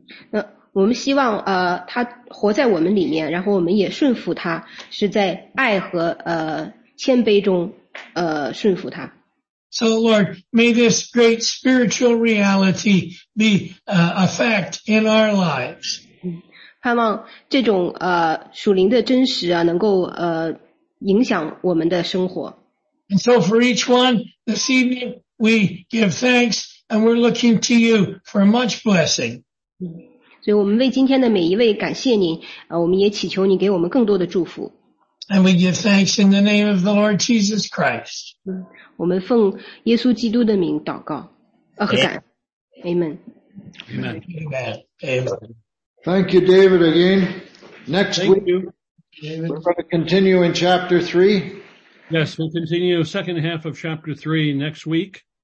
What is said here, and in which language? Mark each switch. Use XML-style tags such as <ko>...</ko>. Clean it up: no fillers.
<zh>那我们希望他活在我们里面，然后我们也顺服他，是在爱和谦卑中顺服他。</zh> <en>So Lord, may this great spiritual reality be a fact in our lives.</en> <zh>盼望这种属灵的真实啊，能够影响我们的生活。</zh> <en>And so for each one this evening, we give thanks and we're looking to you for much blessing.</en> <zh>所以我们为今天的每一位感谢您，我们也祈求您给我们更多的祝福。</zh> <en>And we give thanks in the name of the Lord Jesus Christ.</en> <zh>我们奉耶稣基督的名祷告和感恩。</zh> <en>Amen. Amen. Amen. Thank you, David, again. Next week, we're going to continue in chapter 3. Yes, we'll continue second half of chapter 3 next week.</en>